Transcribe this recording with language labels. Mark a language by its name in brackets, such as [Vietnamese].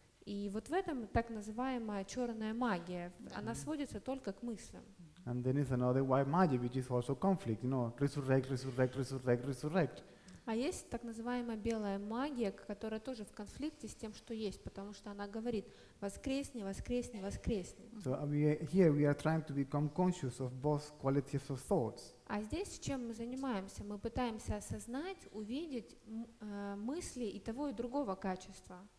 [Russian] И вот в этом так называемая черная магия. Она сводится только к мыслям. [English] And then is another white magic, which is also conflict. You know, resurrect. [Russian] А есть так называемая белая магия, которая тоже в конфликте с тем, что есть, потому что она говорит: воскресни. [English] So here we are trying to become conscious of both qualities of thoughts. [Russian] А здесь чем мы занимаемся? Мы пытаемся осознать, увидеть мысли и того, и другого качества.